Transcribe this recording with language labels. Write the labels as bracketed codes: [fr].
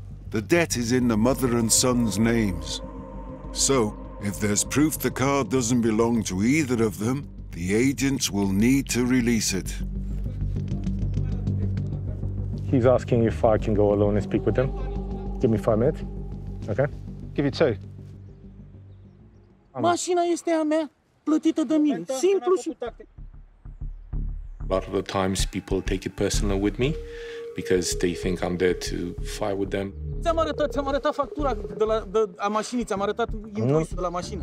[en] The debt is in the mother and son's names. So, if there's proof the car doesn't belong to either of them, the agents will need to release it. He's asking if I can go alone and speak with them. Give me 5 minutes, okay? Give you two. [ro] Machina este a mea, plătită de mine, simplu și... [en] A lot of the times people take it personal with me, because they think I'm there to fight with them. [ro] Ți-am arătat factura de la a mașinii, ți-am arătat invoice-ul de la mașină.